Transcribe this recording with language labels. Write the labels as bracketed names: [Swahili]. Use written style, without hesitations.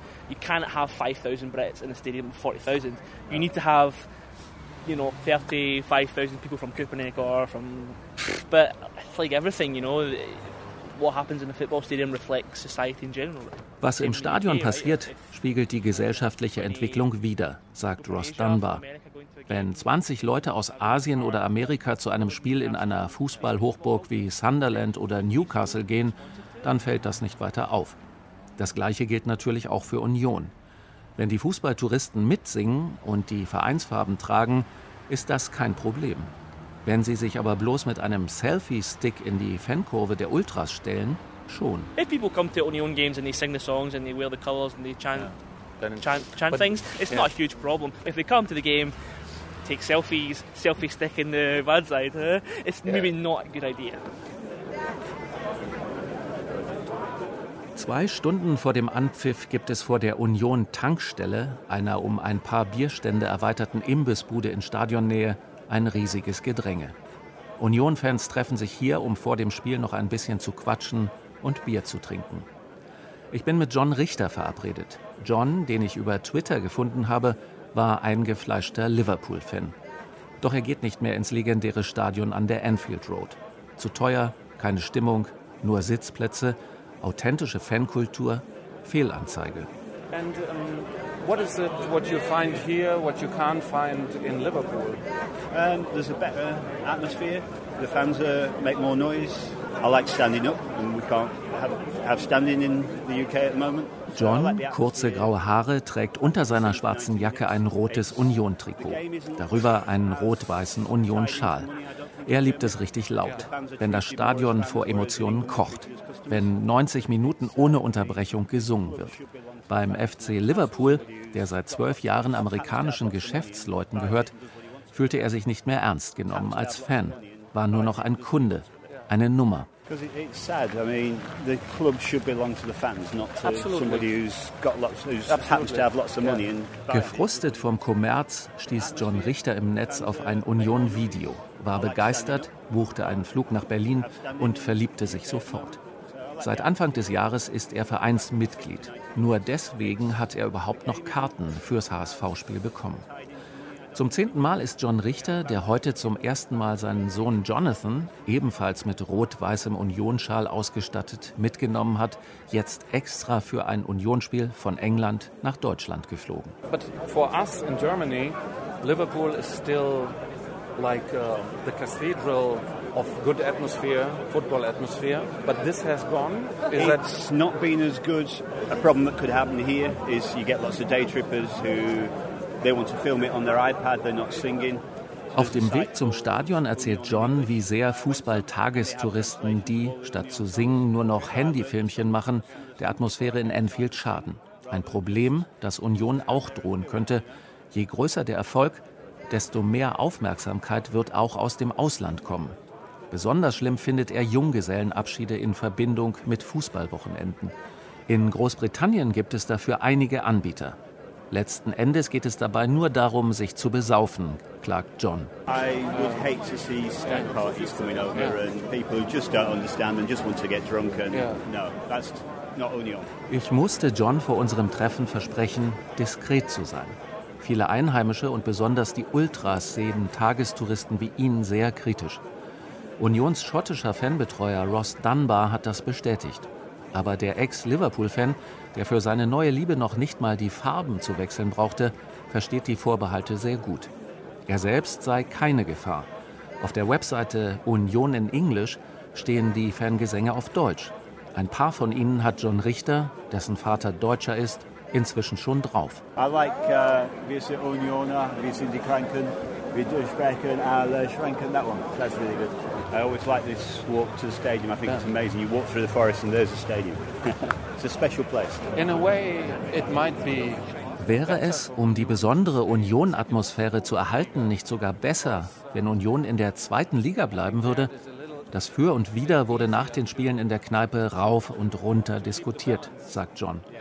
[English] You can't have 5,000 Brits in a stadium of 40,000. You need to have, you know, 35,000 people from Köpenick or from... But it's like everything, you know, what happens in a football stadium reflects society in general. [German] Was im Stadion passiert, spiegelt die gesellschaftliche Entwicklung wider, sagt Ross Dunbar. Wenn 20 Leute aus Asien oder Amerika zu einem Spiel in einer Fußballhochburg wie Sunderland oder Newcastle gehen, dann fällt das nicht weiter auf. Das Gleiche gilt natürlich auch für Union. Wenn die Fußballtouristen mitsingen und die Vereinsfarben tragen, ist das kein Problem. Wenn sie sich aber bloß mit einem Selfie-Stick in die Fankurve der Ultras stellen, schon. [English] If people come to Union games and they sing the songs and they wear the colours and they chant things, it's not a huge problem. If they come to the game, take selfies, selfie-stick in the bad side, it's maybe not a good idea. [German] 2 Stunden vor dem Anpfiff gibt es vor der Union-Tankstelle, einer um ein paar Bierstände erweiterten Imbissbude in Stadionnähe, ein riesiges Gedränge. Union-Fans treffen sich hier, um vor dem Spiel noch ein bisschen zu quatschen und Bier zu trinken. Ich bin mit John Richter verabredet. John, den ich über Twitter gefunden habe, war eingefleischter Liverpool-Fan. Doch er geht nicht mehr ins legendäre Stadion an der Anfield Road. Zu teuer, keine Stimmung, nur Sitzplätze. Authentische Fankultur, Fehlanzeige. [English] And what is it what you find here, what you can't find in Liverpool? There's a better atmosphere. The fans make more noise. I like standing up, and we can't have standing in the UK at the moment. [German] John, kurze graue Haare, trägt unter seiner schwarzen Jacke ein rotes Union-Trikot. Darüber einen rot-weißen Union-Schal. Er liebt es richtig laut, wenn das Stadion vor Emotionen kocht, wenn 90 Minuten ohne Unterbrechung gesungen wird. Beim FC Liverpool, der seit 12 Jahren amerikanischen Geschäftsleuten gehört, fühlte er sich nicht mehr ernst genommen als Fan, war nur noch ein Kunde, eine Nummer. [English] Because it's sad. I mean, the club should belong to the fans, not to somebody who's got lots, who's happens to have lots of money. [German] Gefrustet vom Kommerz stieß John Richter im Netz auf ein Union-Video, war begeistert, buchte einen Flug nach Berlin und verliebte sich sofort. Seit Anfang des Jahres ist er Vereinsmitglied. Nur deswegen hat er überhaupt noch Karten fürs HSV-Spiel bekommen. Zum 10. Mal ist John Richter, der heute zum ersten Mal seinen Sohn Jonathan, ebenfalls mit rot-weißem Union-Schal ausgestattet, mitgenommen hat, jetzt extra für ein Union-Spiel von England nach Deutschland geflogen. [English] But for us in Germany, Liverpool is still like the cathedral of good atmosphere, football atmosphere, but this has gone. Is that it's not been as good. A problem that could happen here is you get lots of day trippers who they want to film it on their iPad, they're not singing. [German] Auf dem Weg zum Stadion erzählt John, wie sehr Fußball-Tagestouristen, die statt zu singen nur noch Handyfilmchen machen, der Atmosphäre in Anfield schaden. Ein Problem, das Union auch drohen könnte. Je größer der Erfolg, desto mehr Aufmerksamkeit wird auch aus dem Ausland kommen. Besonders schlimm findet er Junggesellenabschiede in Verbindung mit Fußballwochenenden. In Großbritannien gibt es dafür einige Anbieter. Letzten Endes geht es dabei nur darum, sich zu besaufen, klagt John. [English] I would hate to see stag parties coming over and people who just don't understand and just want to get drunk and no, that's not Union. [German] Ich musste John vor unserem Treffen versprechen, diskret zu sein. Viele Einheimische und besonders die Ultras sehen Tagestouristen wie ihn sehr kritisch. Unions schottischer Fanbetreuer Ross Dunbar hat das bestätigt. Aber der Ex-Liverpool-Fan, der für seine neue Liebe noch nicht mal die Farben zu wechseln brauchte, versteht die Vorbehalte sehr gut. Er selbst sei keine Gefahr. Auf der Webseite Union in Englisch stehen die Fangesänge auf Deutsch. Ein paar von ihnen hat John Richter, dessen Vater Deutscher ist, inzwischen schon drauf. [English] I like, [German] wir sind Unioner, wir sind die Kranken. Wir durchbrechen alle Schranken, [English] that one, that's really good. I always like this walk to the stadium. I think it's amazing. You walk through the forest and there's a stadium. It's a special place. In a way, it might be. [German] Wäre es, um die besondere Union-Atmosphäre zu erhalten, nicht sogar besser, wenn Union in der zweiten Liga bleiben würde? Das Für und Wider wurde nach den Spielen in der Kneipe rauf und runter diskutiert, sagt John.